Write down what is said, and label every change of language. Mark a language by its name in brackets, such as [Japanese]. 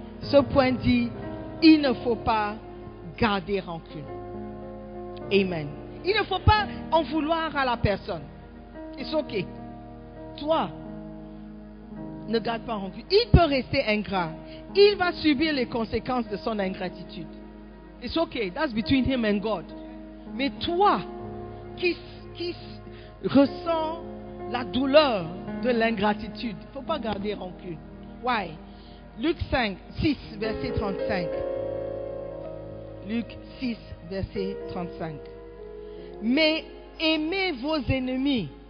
[French] Ce point dit, il ne faut pas garder rancune. Amen. Il ne faut pas en vouloir à la personne. [English] It's ok. [French] Toi, ne garde pas rancune. Il peut rester ingrat. Il va subir les conséquences de son ingratitude. [English] It's ok. That's between him and God. [French] Mais toi, qui ressent la douleur de l'ingratitude. Il ne faut pas garder rancune. [English] Why? [French] Luc 5, 6, verset 35. Luc 6, verset 35. Mais aimez vos ennemis.